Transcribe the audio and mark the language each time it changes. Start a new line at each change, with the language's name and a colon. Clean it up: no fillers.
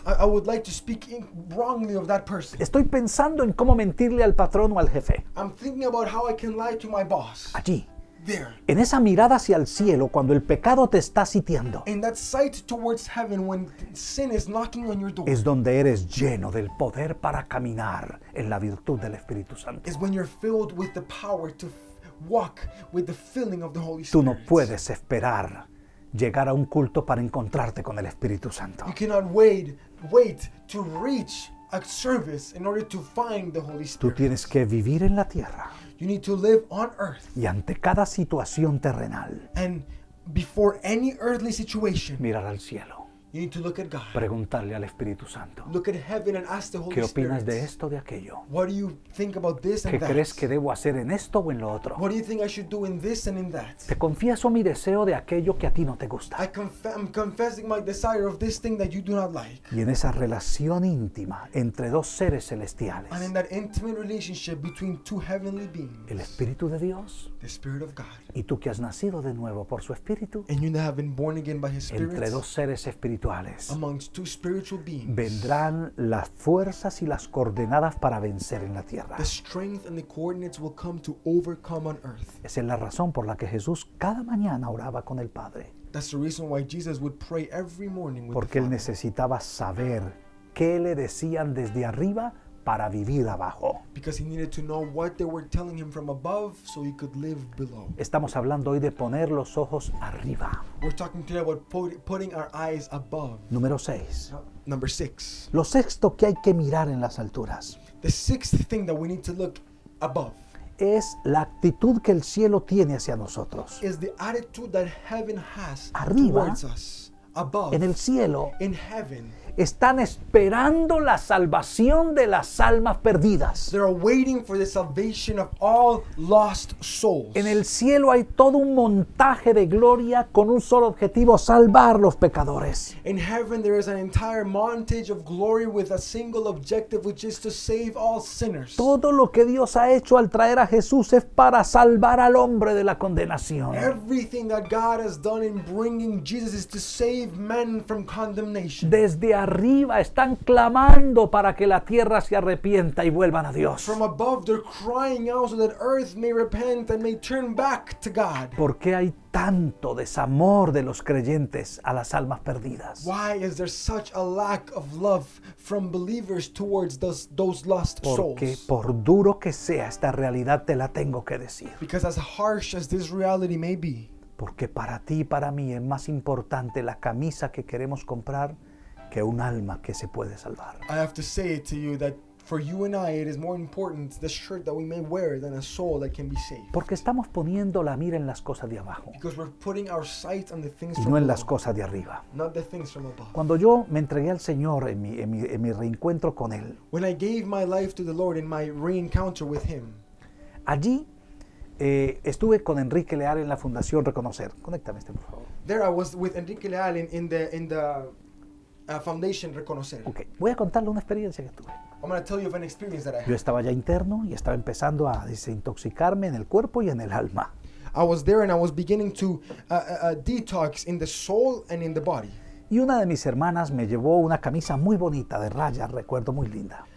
English: I would like to speak wrongly of that person.
Spanish: Estoy pensando en cómo mentirle al patrón o al jefe.
English: I'm thinking about how I can lie to my boss.
Spanish: Allí.
English: There.
Spanish: En esa mirada hacia el cielo cuando el pecado te está sitiando.
English: In that sight towards heaven when sin is knocking on your door.
Spanish: Es donde eres lleno del poder para caminar en la virtud del Espíritu Santo.
English: Is when you're filled with the power to walk with the filling of the Holy Spirit.
Spanish: Tú no puedes esperar llegar a un culto para encontrarte con el Espíritu Santo.
English: You cannot wait to reach a service in order to find the Holy Spirit.
Spanish: Tú tienes que vivir en la tierra.
English: You need to live on earth.
Spanish: Y ante cada situación terrenal.
English: And before any earthly situation.
Spanish: Mirar al cielo.
English: You need to look at God.
Spanish: Preguntarle al Espíritu Santo.
English: Look at heaven and ask the Holy
Spanish: ¿qué opinas
English: Spirit,
Spanish: de esto, de aquello?
English: What do you think about this and
Spanish: ¿qué
English: that?
Spanish: ¿Qué crees que debo hacer en esto o en lo otro?
English: What do you think I should do in this and in that?
Spanish: Te confieso mi deseo de aquello que a ti no te gusta.
English: I'm confessing my desire of this thing that you do not like.
Spanish: Y en esa relación íntima entre dos seres celestiales.
English: And in that intimate relationship between two heavenly beings.
Spanish: El Espíritu de Dios.
English: The Spirit of God.
Spanish: Y tú que has nacido de nuevo por su Espíritu.
English: And you that have been born again by His Spirit.
Spanish: Entre dos seres espirituales. espirituales.
English: Amongst two spiritual beings.
Spanish: Vendrán las fuerzas y las coordenadas para vencer en la tierra.
English: The strength and the coordinates will come to overcome on earth.
Spanish: Esa es la razón por la que Jesús cada mañana oraba con el Padre.
English: That's the reason why Jesus would pray every morning with
Spanish: Porque
English: the Father.
Spanish: Él necesitaba saber qué le decían desde arriba para vivir abajo.
English: Because he needed to know what they were telling him from above so he could live below.
Spanish: Estamos hablando hoy de poner los ojos arriba.
English: We're talking today about putting our eyes above.
Spanish: Número 6.
English: Number 6.
Spanish: Lo sexto que hay que mirar en las alturas.
English: The sixth thing that we need to look above.
Spanish: Es la actitud que el cielo tiene hacia nosotros.
English: Is the attitude that heaven has
Spanish: arriba,
English: towards us. Above.
Spanish: En el cielo.
English: In heaven.
Spanish: Están esperando la salvación de las almas perdidas.
English: They are waiting for the salvation of all lost souls.
Spanish: En el cielo hay todo un montaje de gloria con un solo objetivo, salvar los pecadores.
English: In heaven there is an entire montage of glory with a single objective, which is to save all sinners.
Spanish: Todo lo que Dios ha hecho al traer a Jesús es para salvar al hombre de la condenación.
English: Everything that God has done in bringing Jesus is to save men from condemnation.
Spanish: Desde arriba están clamando para que la tierra se arrepienta y vuelvan a Dios.
English: From above they're crying out so that earth may repent and may turn back to God.
Spanish: ¿Por qué hay tanto desamor de los creyentes a las almas perdidas?
English: Why is there such a lack of love from believers towards those lost
Spanish: Porque
English: souls?
Spanish: Porque por duro que sea esta realidad te la tengo que decir.
English: Because as harsh as this reality may be.
Spanish: Porque para ti y para mí es más importante la camisa que queremos comprar que un alma que se puede salvar.
English: I have to say it to you that for you and I it is more important the shirt that we may wear than a soul that can be saved.
Spanish: Porque estamos poniendo la mira en las cosas de abajo.
English: Because we're putting our sight on the things
Spanish: y
English: from
Spanish: no
English: above.
Spanish: En las cosas de arriba.
English: Not the things from above.
Spanish: Cuando yo me entregué al Señor en mi reencuentro con él.
English: When I gave my life to the Lord in my reencounter with him.
Spanish: Allí estuve con Enrique Leal en la Fundación Reconocer. Conéctame por favor.
English: There I was with Enrique Leal in the Foundation Reconocer. Okay.
Spanish: Voy a contarle una experiencia que tuve.
English: I'm going to tell you of an experience that I had.
Spanish: Yo estaba ya interno y estaba empezando a desintoxicarme en el cuerpo y en el alma.
English: I was there and I was beginning to detox in the soul and in the body.
Spanish: Y una de mis hermanas me llevó una camisa muy bonita de rayas, recuerdo muy linda.